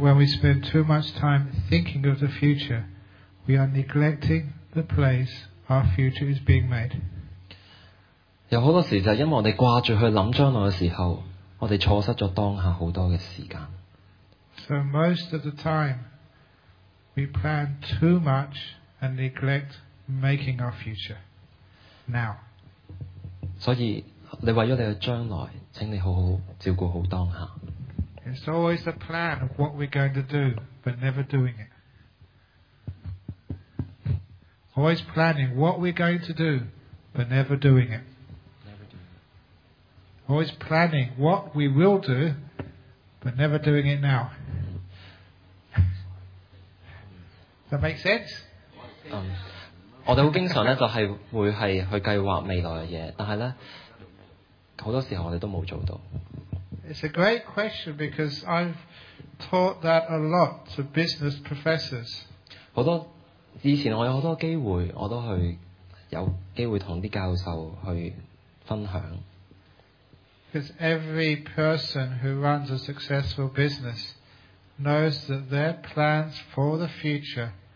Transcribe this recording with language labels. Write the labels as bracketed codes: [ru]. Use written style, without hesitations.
[en] when we spend too much time thinking of the future, we are neglecting the place our future is being made. [yue] 有好多時就係因為我哋掛住去諗將來嘅時候，我哋錯失咗當下好多嘅時間。 [en] So most of the time, we plan too much and neglect making our future now. [yue] 所以，你為咗你嘅將來，請你好好照顧好當下。 [en] It's always a plan of what we're going to do, but never doing it. Always planning what we're going to do, but never doing it. always planning what we will do, but never doing it now. Does that make sense? [yue] 我哋好經常咧，就係會係去計劃未來嘅嘢，但係咧，好多時候我哋都冇做到。 [en] It's a great question because I've taught that a lot to business professors. [yue] 好多以前我有好多機會，我都去有機會同啲教授去分享。 [en] Because every person who runs a successful business knows that their plans for the future.